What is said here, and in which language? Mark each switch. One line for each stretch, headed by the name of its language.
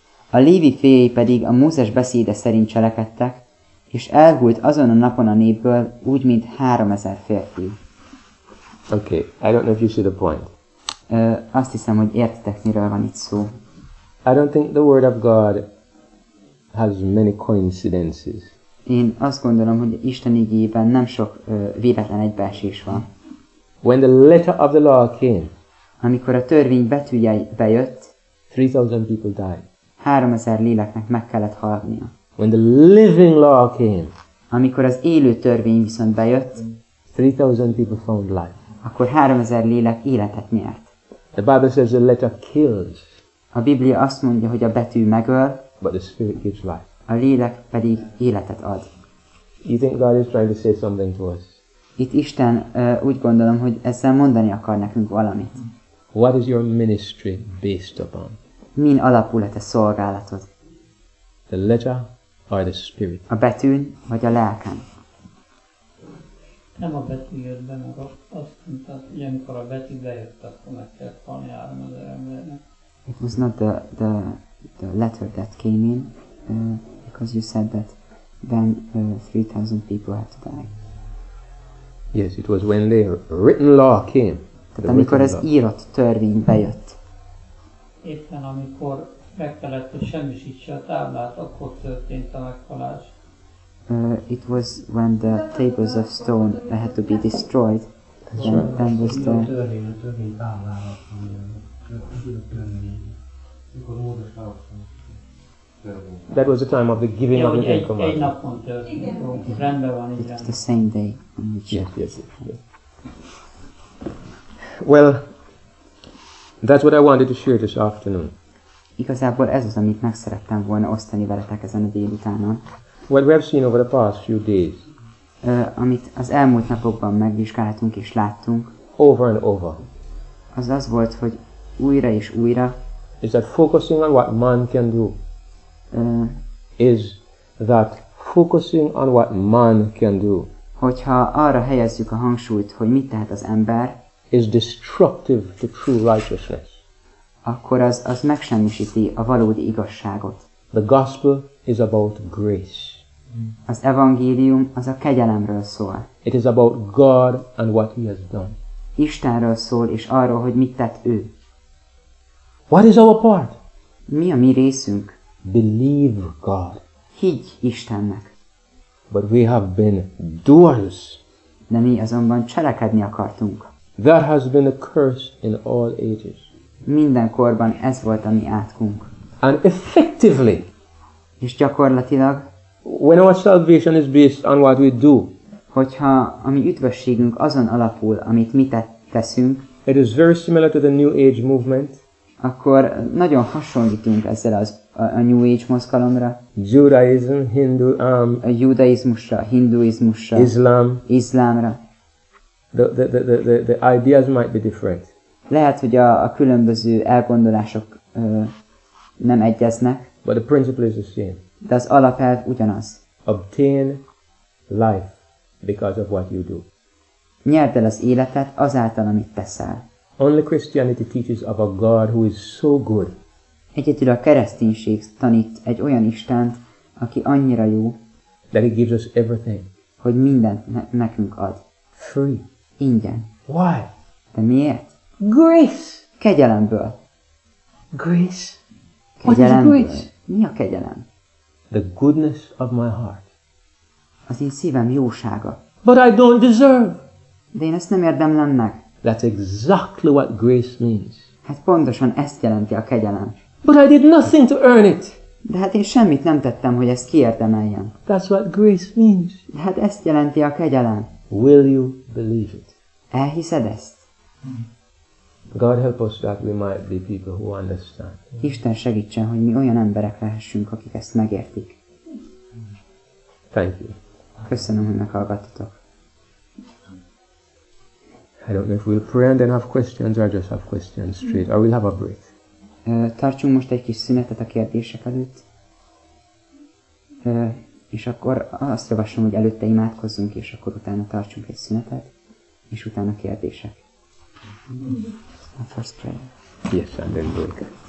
Hungarian: A lévi fiai pedig a Mózes beszéde szerint cselekedtek, és elhult azon a napon a népből úgy, mint 3000 férfi.
English: Okay, I don't know if you see the point.
Hungarian: Azt hiszem, hogy értitek, miről van itt szó.
English: I don't think the word of God has many coincidences.
Hungarian: Én azt gondolom, hogy Isten igében nem sok véletlen egybeesés van.
English: When the letter of the law came,
Hungarian: amikor a törvény betűje bejött,
English: 3000 people died.
Hungarian: 3000 léleknek meg kellett halnia.
English: When the living law came,
Hungarian: amikor az élő törvény viszont bejött,
English: 3000 people found life.
Hungarian: Akkor 3000 lélek életet nyert.
English: The Bible says the letter kills.
Hungarian: A Biblia azt mondja, hogy a betű megöl,
English: but the spirit gives life.
Hungarian: A lélek pedig életet ad.
English: You think God is trying to say something to us?
Hungarian: Itt Isten úgy gondolom, hogy ezzel mondani akar nekünk valamit.
English: What is your ministry based upon?
Hungarian: Min alapul a te szolgálatod?
English: The letter or the spirit?
Hungarian: A betűn vagy a lelken? Nem a betű jött be, meg azt mondta, hogy amikor a betű bejött, akkor meg kellett halni 3000 embernek.
English: It was not the letter that came in, because you said that then 3000 people had to die. Yes, it was when the written law came.
Hungarian: Tehát amikor az írott törvény bejött. Éppen amikor meg kellett, hogy semmisítse a táblát, akkor történt a meghalás.
English: It was when the tables of stone had to be destroyed. Then was the... That was the time of the giving of the Ten Commandments. It was the same day. Yes. Well, that's what I wanted to share this afternoon.
Hungarian: Igazából ez az, amit meg szerettem volna osztani veletek ezen a délutánon.
English: What we have seen over the past few days.
Hungarian: Amit az elmúlt napokban megvizsgáltunk és láttunk.
English: Over and over.
Hungarian: Az az volt, hogy újra és újra.
English: Is that focusing on what man can do? Is that focusing on what man can do?
Hungarian: Hogyha arra helyezzük a hangsúlyt, hogy mit tehet az ember,
English: is destructive to true righteousness.
Hungarian: Akkor az megsemmisíti a valódi igazságot.
English: The gospel is about grace.
Hungarian: Az evangélium az a kegyelemről szól.
English: It is about God and what he has done.
Hungarian: Istenről szól és arról, hogy mit tett ő.
English: What is our part?
Hungarian: Mi a mi részünk?
English: Believe God.
Hungarian: Higgy Istennek.
English: But we have been doers.
Hungarian: De mi azonban cselekedni akartunk.
English: That has been a curse in all ages.
Hungarian: Minden korban ez volt a mi átkunk.
English: And effectively.
Hungarian: És gyakorlatilag.
English: When our salvation is based on what we do.
Hungarian: Hogyha a mi üdvösségünk azon alapul, amit mi teszünk.
English: It is very similar to the New Age movement.
Hungarian: Akkor nagyon hasonlítunk ezzel a New Age mozgalomra.
English: Judaism, Hindu,
Hungarian: a judaizmusra, hinduizmusra.
English: Islam.
Hungarian: Islámra.
English: The ideas might be different.
Hungarian: Lehet, hogy a különböző elgondolások nem egyeznek.
English: But the principle is the same.
Hungarian: De az alapelv ugyanaz.
English: Obtain life because of what you do.
Hungarian: Nyerd el az életet azáltal, amit teszel.
English: Only Christianity teaches of a God who is so good.
Hungarian: Egyedül a kereszténység tanít egy olyan Istent, aki annyira jó.
English: That he gives us everything.
Hungarian: Hogy mindent nekünk ad.
English: Free.
Hungarian: Ingyen.
English: Why?
Hungarian: De miért?
English: Grace.
Hungarian: Kegyelemből.
English: Grace.
Hungarian: Kegyelemből.
English: What is grace?
Hungarian: Mi a kegyelem?
English: The goodness of my heart.
Hungarian: Az én szívem jósága.
English: But I don't deserve.
Hungarian: De én ezt nem érdemlem meg.
English: That's exactly what grace means.
Hungarian: Hát pontosan ezt jelenti a kegyelem.
English: But I did nothing to earn it.
Hungarian: De hát én semmit nem tettem, hogy ezt kiérdemeljem.
English: That's what grace means.
Hungarian: De hát ezt jelenti a kegyelem.
English: Will you believe it?
Hungarian: Elhiszed ezt?
English: God help us that we might be people who understand.
Hungarian: Isten segítsen, hogy mi olyan emberek lehessünk, akik ezt megértik.
English: Thank you.
Hungarian: Köszönöm, hogy meghallgattatok.
English: I don't know if we'll pray and then have questions or just have questions straight, or we'll have a break.
Hungarian: Tartsunk most egy kis szünetet a kérdések előtt. És akkor azt javaslom, hogy előtte imádkozzunk, és akkor utána tartsunk egy szünetet, és utána kérdések.
English: A first prayer. Yes, and then break.